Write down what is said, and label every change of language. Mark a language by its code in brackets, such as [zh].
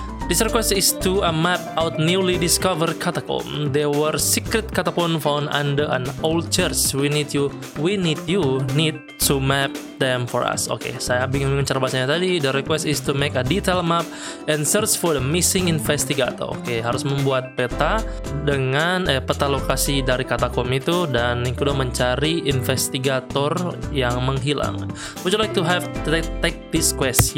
[en] This request is to a map out newly discovered catacomb. There were secret catacomb found under an old church. We need to map them for us. Okay, [id] saya bingung cara bahasanya tadi. [en] The request is to make a detailed map and search for the missing investigator. [id] Okay, harus membuat peta dengan peta lokasi dari catacomb itu dan kudu mencari investigator yang menghilang. [en] Would you like to have take this quest?